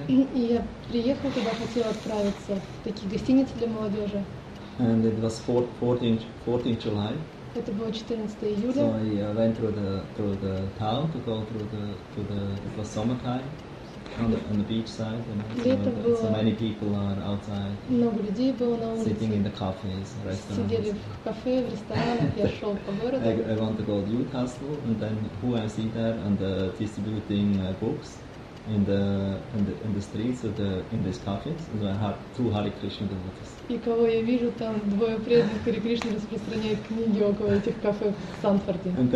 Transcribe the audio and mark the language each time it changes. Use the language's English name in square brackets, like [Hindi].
[Russian] И я приехал туда, хотел отправиться в такие гостиницы для молодежи. [English] And it was 14 July. [Russian] Это было 14 июля. [English] So I went through the town to go through the it was summertime on the beach side, you know. [Russian] Лето [English] so, [Russian] было. [English] So many people are outside. [Russian] Много людей было на улице. [English] Sitting in the cafes, restaurants. [Russian] Сидели в кафе, в ресторанах. Я шел по городу. [English] I want to go to Newcastle and then who I see there and distributing books in the streets of the in these cafes. So I had two Hare Krishna devotees. [Russian] И кого я вижу, там двое преданных Харе Кришны распространяют книги около этих кафе в Сандфорде.